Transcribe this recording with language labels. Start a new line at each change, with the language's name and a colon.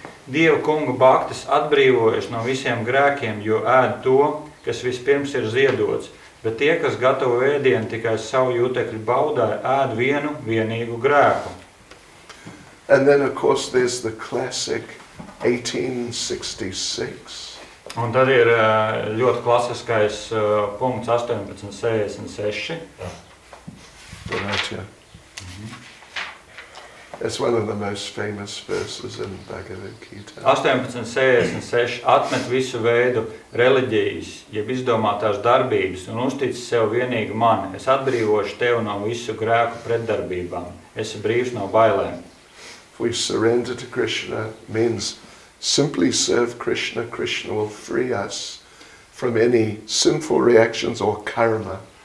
Latvian: Dieva kungu bhaktis atbrīvojas no visiem grēkiem, jo ēd to, kas vispirms ir ziedots, bet tie, kas gatavo ēdienu tikai savu jūtekļu baudā, ēd vienu vienīgu grēku.
English: And then, of course, there's the classic 1866.
Latvian: Un tad ir ļoti klasiskais punkts 1866. Donatia.
English: It's one of the most famous verses in Bhagavad Gita. 1866.
Latvian: Atmet visu veidu reliģijas, jeb izdomātās darbības, un uztic sev vienīgi mani. Es atbrīvošu tevi no visu grēku pretdarbībām. Esi brīvs no bailēm.
English: We surrender to Krishna means simply serve Krishna, Krishna will free us from any sinful reactions or karma.